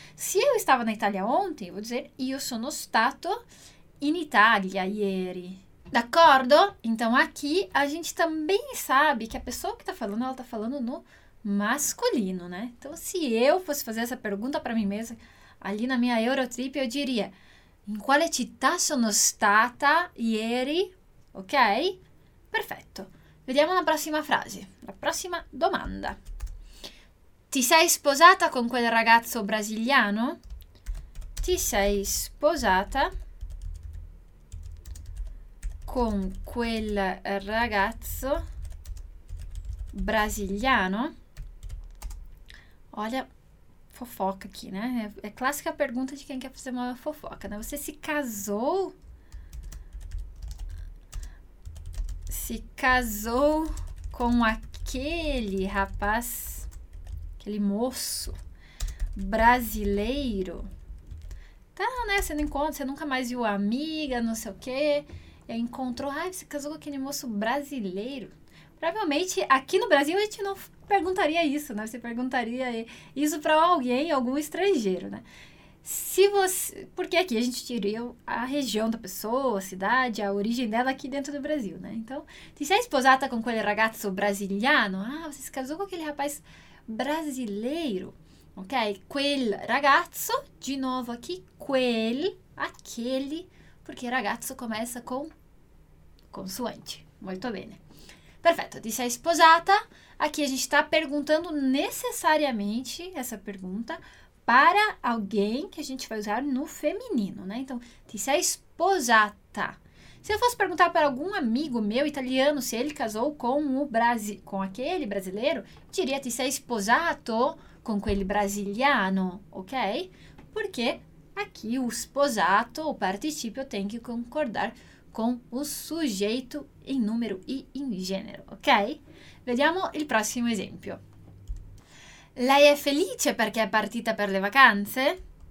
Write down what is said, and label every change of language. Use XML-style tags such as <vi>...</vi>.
<pt>Se eu estava na Itália ontem, eu vou dizer</pt> <it>io sono stato in Italia ieri. D'accordo?</it> <pt>Então, aqui a gente também sabe que a pessoa que está falando, ela está falando no masculino, né? Então, se eu fosse fazer essa pergunta para mim mesma ali na minha Eurotrip, eu diria:</pt> <it>in quale città sono stata ieri?</it> <pt>Ok?</pt> <it>Perfetto, vediamo la prossima frase, la prossima domanda. Ti sei sposata con quel ragazzo brasiliano? Ti sei sposata con quel ragazzo brasiliano?</it> <pt>Olha, fofoca aqui, né?</pt> <it>È classica</it> <pt>pergunta</pt> <it>di chi</it> <pt>quer</pt> <it>fare una</it> <pt>fofoca, né? Você si casou? Se casou com aquele rapaz, aquele moço brasileiro. Tá, né? Você não encontra, você nunca mais viu a amiga, não sei o quê. E encontrou, ai, você casou com aquele moço brasileiro. Provavelmente aqui no Brasil a gente não perguntaria isso, né? Você perguntaria isso para alguém, algum estrangeiro, né? Se você. Porque aqui a gente diria a região da pessoa, a cidade, a origem dela aqui dentro do Brasil, né?</pt> <it>Então, ti sei sposata com quel ragazzo brasiliano?</it> <pt>Ah, você se casou com aquele rapaz brasileiro. Ok? Quel ragazzo, de novo aqui, quel, aquele, porque ragazzo começa com consoante.</pt> <it>Molto bene. Perfetto, ti sei sposata.</it> <pt>Aqui a gente está perguntando necessariamente essa pergunta para alguém que a gente vai usar no feminino, né? Então, ti sei sposata. Se eu fosse perguntar para algum amigo meu italiano se ele casou com aquele brasileiro, diria</pt> <it>ti sei sposato con quel brasiliano,</it> <pt>ok? Porque aqui o sposato, o participio, tem que concordar com o sujeito em numero e</pt> <it>in genere,</it> <pt>ok?</pt> <it>Vediamo il prossimo esempio. Lei è felice perché è partita per le vacanze?</it>